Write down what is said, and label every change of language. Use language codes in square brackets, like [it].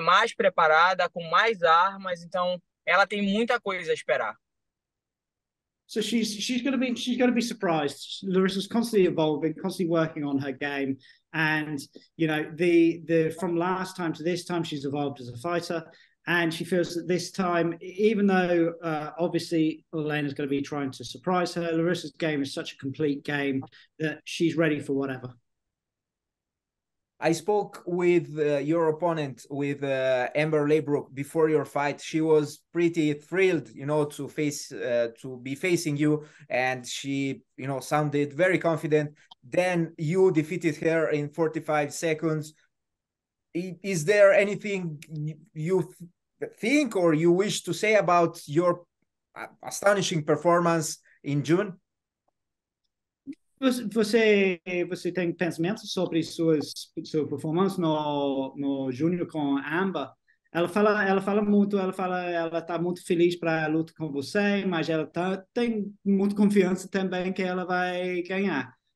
[pt] Mais preparada, com mais armas, então ela tem muita coisa a esperar. [en] So she's gonna be surprised. Larissa's constantly evolving, constantly working on her game, and you know, the from last time to this time, she's evolved as a fighter. And she feels that this time, even though obviously Olena's going to be trying to surprise her, Larissa's game is such a complete game that she's ready for whatever. I spoke with your opponent, with Amber Laybrook, before your fight. She was pretty thrilled, you know, to face to be facing you, and she, you know, sounded very confident. Then you defeated her in 45 seconds. Is there anything you think or you wish to say about your astonishing performance in June? [pt] Você tem pensamentos sobre sua performance no Júnior com Amber? Ela fala muito, ela está muito feliz para a luta com você, mas ela tem muita confiança também que ela vai ganhar.